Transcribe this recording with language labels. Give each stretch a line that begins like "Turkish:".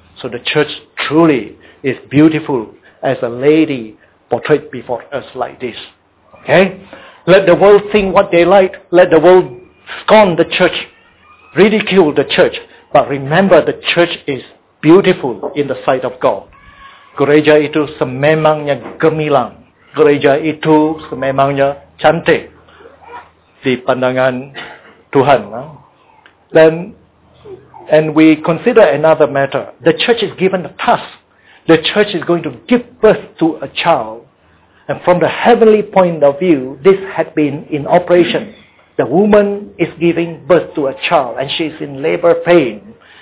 English: So the church truly is beautiful as a lady portrayed before us like this. Okay? Let the world think what they like. Let the world scorn the church, ridicule the church. But remember, the church is beautiful in the sight of God.
Malay: Gereja itu sememangnya gemilang. Gereja itu sememangnya cantik di pandangan Tuhan.
English: And we consider another matter. The church is given a task. The church is going to give birth to a child. And from the heavenly point of view, this had been in operation. The woman is giving birth to a child, and she is in labor pain.